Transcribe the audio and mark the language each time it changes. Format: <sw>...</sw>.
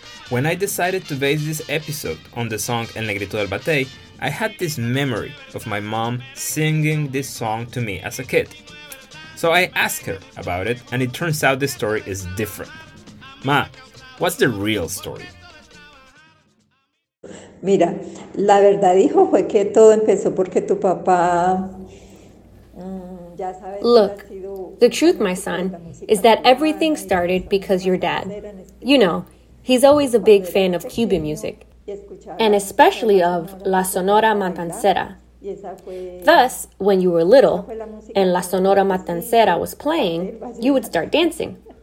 <en>When I decided to base this episode on the song El Negrito del Batey, I had this memory of my mom singing this song to me as a kid. So I asked her about it, and it turns out the story is different. Ma, what's the real story?</en> <es>Mira, la verdad, hijo, fue que todo empezó porque tu papá...</es> <en>Look, the truth, my son, is that everything started because your dad. You know, he's always a big fan of Cuban music, and especially of La Sonora Matancera. Thus, when you were little and La Sonora Matancera was playing, you would start dancing.</en>